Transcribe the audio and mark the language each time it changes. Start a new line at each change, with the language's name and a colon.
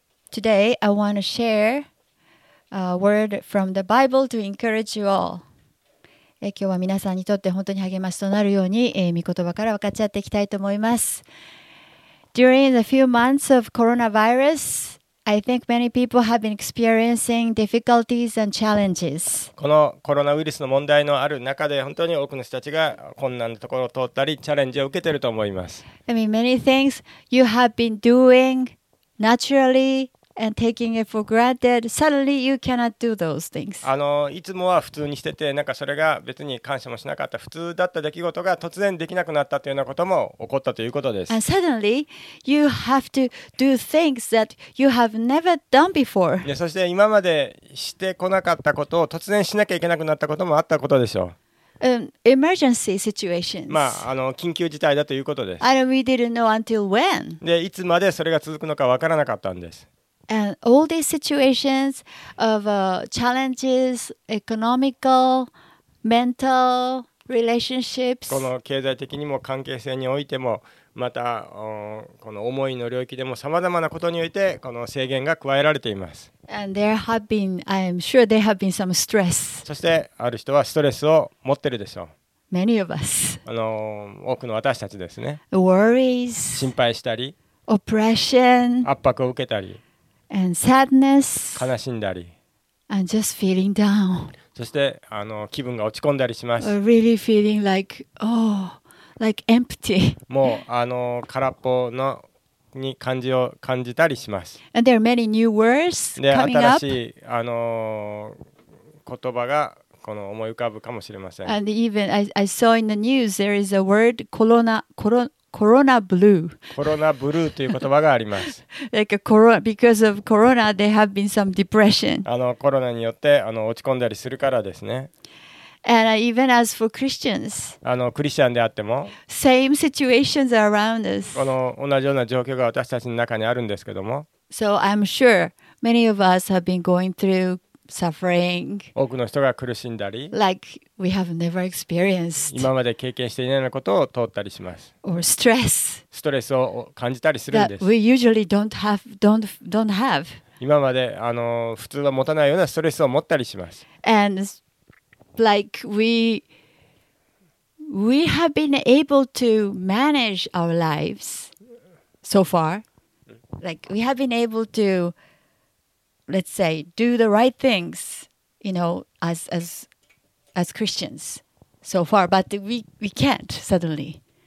English: Today, I want to share a word from the Bible to encourage you all.
Japanese: 今日は皆さんにとって本当に励ましとなるように、御言葉から分かち合っていきたいと思います。
English: During the few months of coronavirus, I think many people have been experiencing difficulties and challenges.
Japanese: このコロナウイルスの問題のある中で本当に多くの人たちが困難なところを通ったり、チャレンジを受けていると思います。
English: I mean, many things you have been doing naturally. And taking it for granted, suddenly you cannot do those things.
Japanese: いつもは普通にしてて、なんかそれが別に感謝もしなかった、普通だった出来事が突然できなくなったというようなことも起こったということです。
English: And suddenly you have to do things that you have never done before.
Japanese: で、そして今までしてこなかったことを突然しなきゃいけなくなったこともあったことでしょう。
English: Emergency situations.
Japanese: まあ、緊急事態だということです。
English: And we didn't know until when.
Japanese: で、いつまでそれが続くのかわからなかったんです。
English: And all these situations of challenges, economical, mental relationships.
Japanese: この経済的にも関係性においても、またこの思いの領域でも様々なことにおいてこの制限が加えられています。
English: And there have been, I am sure there have been some stress.
Japanese: そしてある人はストレスを持ってるでしょう。
English: Many of us.
Japanese: 多くの私たちですね。
English: Worries.
Japanese: 心配したり。
English: Oppression.
Japanese: 圧迫を受けたり。
English: And sadness,
Japanese: 悲しんだり
English: and just feeling down.
Japanese: そして気分が落ち込んだりします。
English: Really feeling like, oh, like empty.
Japanese: もう空っぽのに感じを感じたりします。
English: And there are many new words coming up.
Japanese: で、新しい言葉が思い浮かぶかもしれません。
English: And even I saw in the news there is a word コロナブルー
Japanese: コロナブルーという言葉があります。
English: Like corona, because of corona, there have been some depression.
Japanese: コロナによって落ち込んだりするからですね。
English: And even as for Christians,
Japanese: クリスチャンであっても、
English: same situations are around us.
Japanese: 同じような状況が私たちの中にあるんですけども。
English: So I'm sure many of us have been going through suffering.
Japanese: 多くの人が苦しんだり、
English: like we have never experienced.
Japanese: 今まで経験していないようなことを通ったりします。
English: Or stress.
Japanese: ストレスを感じたりするんです。
English: That we usually don't have.
Japanese: 今まで普通は持たないようなストレスを持ったりします。
English: And like we have been able to manage our lives so far. Like we have been able to. Let's say, do the right things, you know, as Christians so far, but we can't suddenly.